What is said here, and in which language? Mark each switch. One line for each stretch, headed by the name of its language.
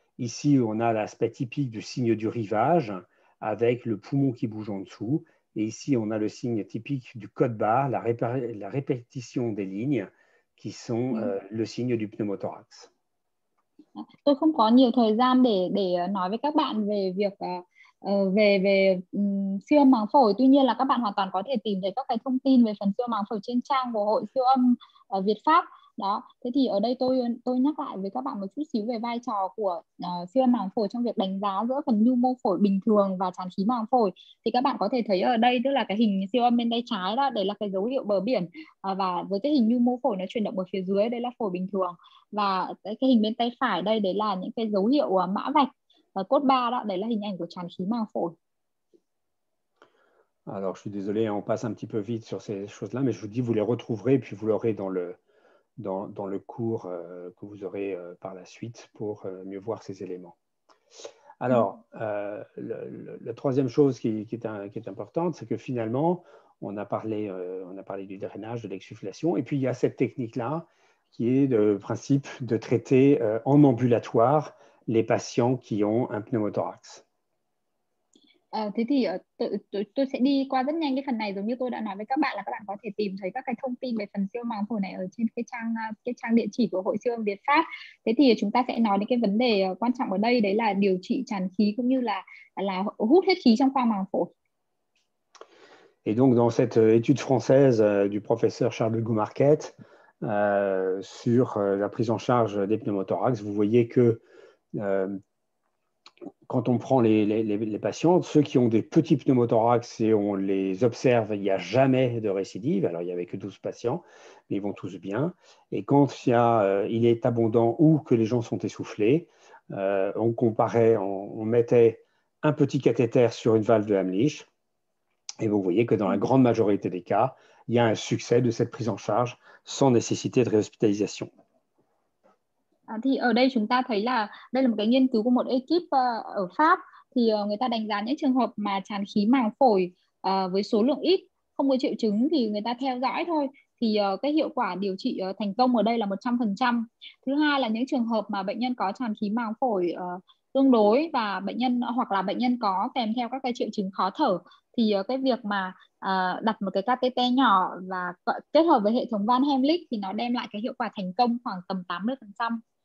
French: Ici, on a l'aspect typique du signe du rivage avec le poumon qui bouge en dessous. Et ici, on a le signe typique du code barre, la répétition des lignes qui sont le signe du pneumothorax.
Vietnamese: Tôi không có nhiều thời gian để nói với các bạn về việc siêu âm màng phổi. Tuy nhiên là các bạn hoàn toàn có thể tìm thấy các cái thông tin về phần siêu âm màng phổi trên trang của Hội Siêu âm Việt Pháp. Đó, thế thì ở đây tôi nhắc lại với các bạn một chút xíu về vai trò của siêu âm màng phổi trong việc đánh giá giữa phần nhu mô phổi bình thường và tràn khí màng phổi. Thì các bạn có thể thấy ở đây, tức là cái hình siêu âm bên tay trái đó, đây là cái dấu hiệu bờ biển, và với cái hình nhu mô phổi nó chuyển động ở phía dưới, đây là phổi bình thường, và cái hình bên tay phải đây, đấy là những cái dấu hiệu mã vạch và cốt ba đó, đấy là hình ảnh của tràn khí màng phổi.
French: Alors je suis désolé, on passe un petit peu vite sur ces choses là, mais je vous dis, vous les retrouverez puis vous l'aurez dans dans le cours que vous aurez par la suite pour mieux voir ces éléments. Alors, la troisième chose qui est importante, c'est que finalement, on a parlé du drainage, de l'exsufflation, et puis il y a cette technique-là qui est le principe de traiter en ambulatoire les patients qui ont un pneumothorax.
Vietnamese: Thế thì tôi sẽ đi qua rất nhanh cái phần này, giống như tôi đã nói với các bạn có thể tìm thấy các cái thông tin về phần siêu màng phổi này ở trên cái trang địa chỉ của Hội Siêu âm Việt Pháp. Thế thì chúng ta sẽ nói đến cái vấn đề quan trọng ở đây, đấy là điều trị tràn khí cũng như là hút hết khí trong khoang màng phổi.
French: Et donc dans cette étude française du professeur Charles Goumarquette sur la prise en charge des pneumothorax, vous voyez que quand on prend les patients, ceux qui ont des petits pneumothorax et on les observe, il n'y a jamais de récidive. Alors, il n'y avait que 12 patients, mais ils vont tous bien. Et quand il est abondant ou que les gens sont essoufflés, on mettait un petit cathéter sur une valve de Hamlisch. Et vous voyez que dans la grande majorité des cas, il y a un succès de cette prise en charge sans nécessité de réhospitalisation.
Vietnamese: Thì ở đây chúng ta thấy là đây là một cái nghiên cứu của một ekip ở Pháp. Thì người ta đánh giá những trường hợp mà tràn khí màng phổi với số lượng ít, không có triệu chứng thì người ta theo dõi thôi. thì cái hiệu quả điều trị thành công ở đây là 100%. Thứ hai là những trường hợp mà bệnh nhân có tràn khí màng phổi tương đối và bệnh nhân hoặc là bệnh nhân có kèm theo các cái triệu chứng khó thở, thì cái việc mà đặt một cái catheter nhỏ và kết hợp với hệ thống van Helmholtz thì nó đem lại cái hiệu quả thành công khoảng tầm 80%.